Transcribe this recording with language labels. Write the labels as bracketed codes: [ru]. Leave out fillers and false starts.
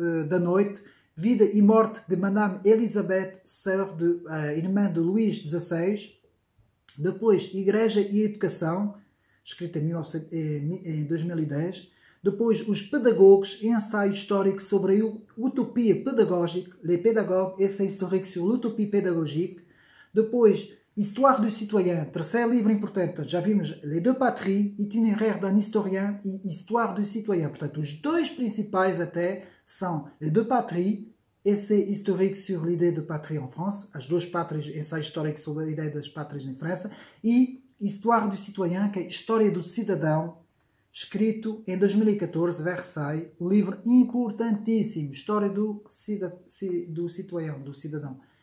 [pt] da Noite, Vida e Morte de Madame Elizabeth, [fr] sœur de, [pt] irmã de Luís XVI, depois, Igreja e Educação, escrita em 2010, depois, Os Pedagogos, ensaio histórico sobre a utopia pédagogique, [fr] Les Pédagogues, essai historique sur l'utopie pédagogique. [pt] Depois, [fr] Histoire du citoyen, [pt] terceiro livro importante. Já vimos [fr] Les deux patries, Itinéraire d'un historien [pt] e [fr] Histoire du citoyen. [pt] Portanto, os dois principais até são [fr] Les deux patries, essai historique sur l'idée de patrie en France, [pt] as duas pátrias, ensaio histórico sobre a ideia das pátrias em França, e [fr] Histoire du citoyen, [pt] que é História do Cidadão, escrito em 2014, Versailles, um livro importantíssimo, História do cidadão.